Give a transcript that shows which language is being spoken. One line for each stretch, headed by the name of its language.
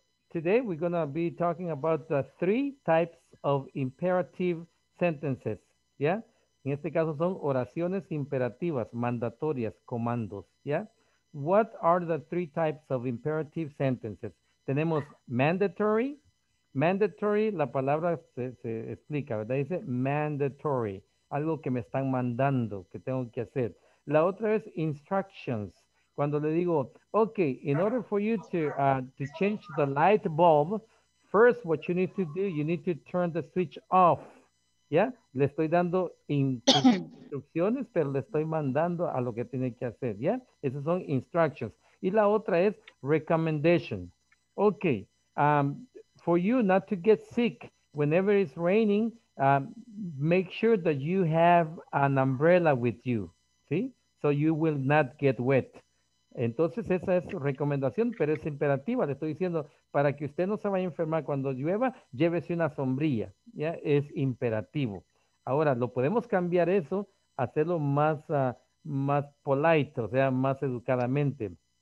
English: Today we're going to be talking about the three types of imperative sentences, ¿ya?
Spanish: En este caso son oraciones imperativas, mandatorias, comandos, ¿ya?
English: What are the three types of imperative sentences?
Spanish: Tenemos mandatory, la palabra se explica, ¿verdad? Dice mandatory, algo que me están mandando, que tengo que hacer. La otra es instructions. Cuando le digo,
English: okay, in order for you to change the light bulb, first what you need to do, you need to turn the switch off.
Spanish: ¿Ya? Le estoy dando instrucciones, pero le estoy mandando a lo que tiene que hacer. ¿Ya? Esas son instructions. Y la otra es recommendation.
English: Okay, for you not to get sick whenever it's raining, make sure that you have an umbrella with you. ¿Sí? So you will not get wet.
Spanish: Entonces, esa es recomendación, pero es imperativa. Le estoy diciendo, para que usted no se vaya a enfermar cuando llueva, llévese una sombrilla, ¿ya? Es imperativo. Ahora, lo podemos cambiar eso, hacerlo más, más polite, o sea, más educadamente.